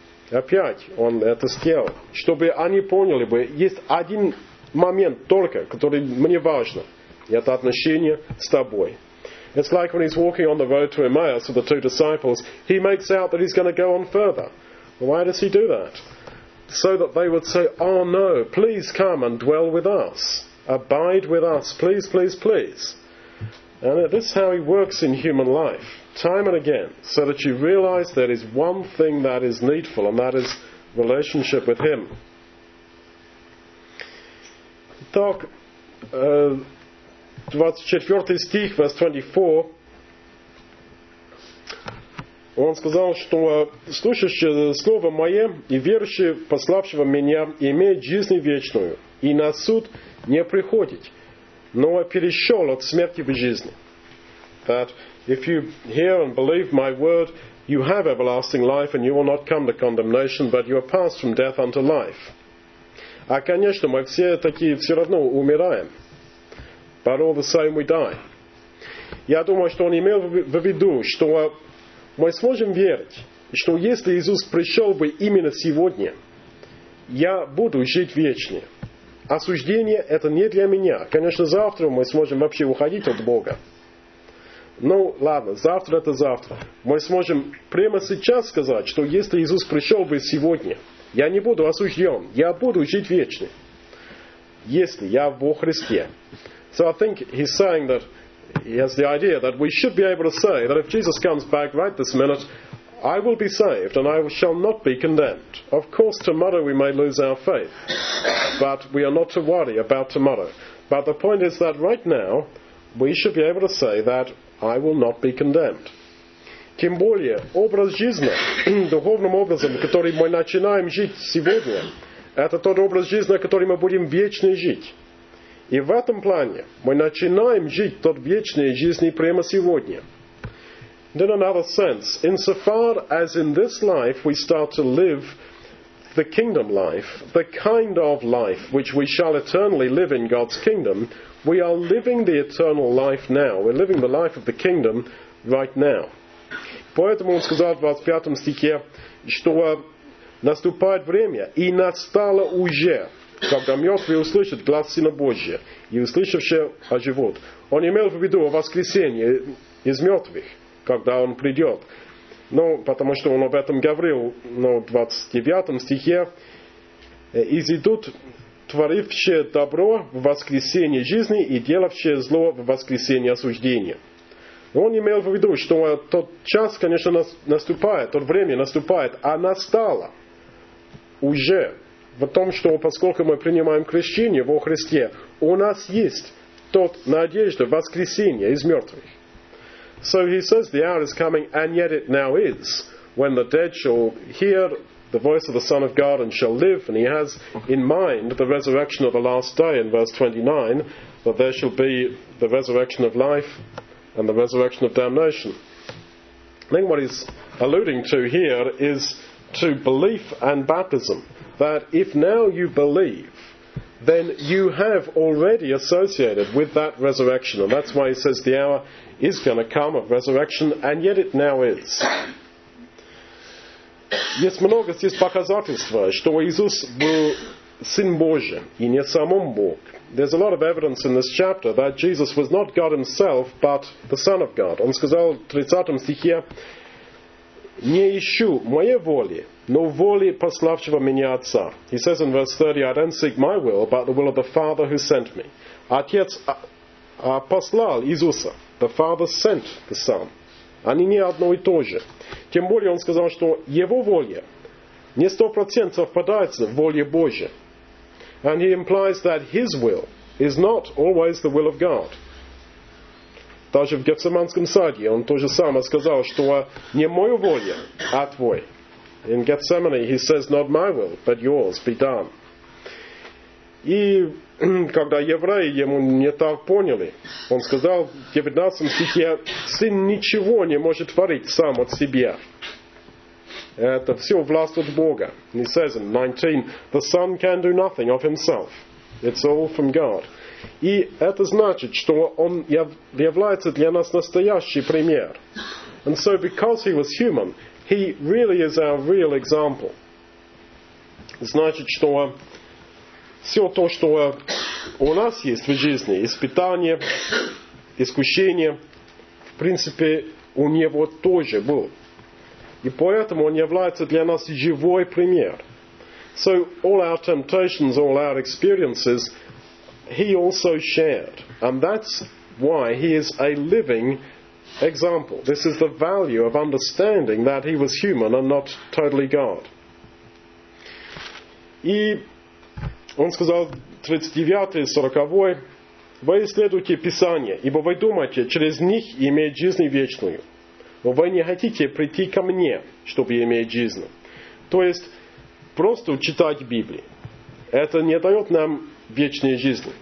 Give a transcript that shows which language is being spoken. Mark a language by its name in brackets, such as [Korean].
[Russian] Опять он это сделал, чтобы они поняли бы, есть один момент только, который мне важен. это отношение с тобой. [English] It's like when he's walking on the road to Emmaus with the two disciples, he makes out that he's going to go on further. Why does he do that? So that they would say, oh no, please come and dwell with us. Abide with us, please, please, please. And this is how he works in human life, time and again, so that you realize there is one thing that is needful, and that is relationship with him. [Russian] Так, 24 стих, [English] verse 24, [Russian] он сказал, что слушающие слово мое и верующие пославшего меня имеют жизнь вечную, и на суд не приходить, но перешел от смерти в жизнь. [English] That if you hear and believe my word, you have everlasting life, and you will not come to condemnation, but you are passed from death unto life. [Russian] А, конечно, мы все таки все равно умираем. [English] But all the same we die. [Russian] Я думаю, что он имел в виду, что мы сможем верить, что если Иисус пришел бы именно сегодня, я буду жить вечно. Осуждение – это не для меня. Конечно, завтра мы сможем вообще уходить от Бога. Ну, ладно, завтра – это завтра. Мы сможем прямо сейчас сказать, что если Иисус пришел бы сегодня, я не буду осужден, я буду жить вечно, если я во Христе. [English] So I think he's saying that he has the idea that we should be able to say that if Jesus comes back right this minute, I will be saved and I shall not be condemned. Of course, tomorrow we may lose our faith, but we are not to worry about tomorrow. But the point is that right now, we should be able to say that I will not be condemned. [Russian] Тем более, образ жизни, духовным образом, который мы начинаем жить сегодня, это тот образ жизни, который мы будем вечно жить. И в этом плане мы начинаем жить тот вечный жизнь прямо сегодня. [English] In another sense, insofar as in this life we start to live the kingdom life, the kind of life which we shall eternally live in God's kingdom, we are living the eternal life now. We're living the life of the kingdom right now. [Russian] Поэтому он сказал в 25 стихе, что наступает время, и настало уже, когда мертвые услышат глас Сына Божия, и услышавшие оживут. Он имел в виду воскресение из мертвых, когда он придет. Ну, потому что он об этом говорил, но в 29 стихе, изидут творившие добро в воскресение жизни и делавшие зло в воскресение осуждения. Он имел в виду, что тот час, конечно, наступает, то время наступает, а настало уже в том, что поскольку мы принимаем крещение во Христе, у нас есть тот надежда воскресения из мертвых. [English] So he says the hour is coming, and yet it now is, when the dead shall hear the voice of the Son of God and shall live. And he has in mind the resurrection of the last day in verse 29, that there shall be the resurrection of life and the resurrection of damnation. I think what he's alluding to here is to belief and baptism. That if now you believe, then you have already associated with that resurrection. And that's why he says the hour is going to come of resurrection, and yet it now is. [Russian] Есть много здесь показательств, что Иисус был Сын Божий, и не самом Бог. [English] There's a lot of evidence in this chapter that Jesus was not God himself, but the Son of God. [Russian] Он сказал в 30 стихе, «Не ищу моей воли, но воли пославшего меня Отца». [English] He says in verse 30, «I don't seek my will, but the will of the Father who sent me». [Russian] Отец послал Иисуса. [English] The Father sent the Son. [Russian] Они не одно и то же. Тем более он сказал, что его воля не 100% совпадает с волей Божьей. [English] And he implies that his will is not always the will of God. [Russian] Даже в Гефсиманском саде он тоже самое сказал, что не мою волю, а твой. [English] In Gethsemane he says, not my will, but yours be done. [Russian] И когда евреи ему не так поняли, он сказал в 19 стихе, «Сын ничего не может творить сам от себя». Это все власть от Бога. [English] And he says in 19, «The Son can do nothing of himself. It's all from God». [Russian] И это значит, что он является для нас настоящий пример. [English] And so because he was human, he really is our real example. [Russian] Значит, что все то, что У нас есть в жизни испытания, искушения. В принципе, у него тоже был. И поэтому он является для нас живой пример. [English] So all our temptations, all our experiences, he also shared. And that's why he is a living example. This is the value of understanding that he was human and not totally God. [Russian] И он сказал 39-40, «Вы исследуйте Писание, ибо вы думаете, через них иметь жизнь вечную. Но вы не хотите прийти ко мне, чтобы иметь жизнь». То есть, просто читать Библию. Это не дает нам вечной жизни.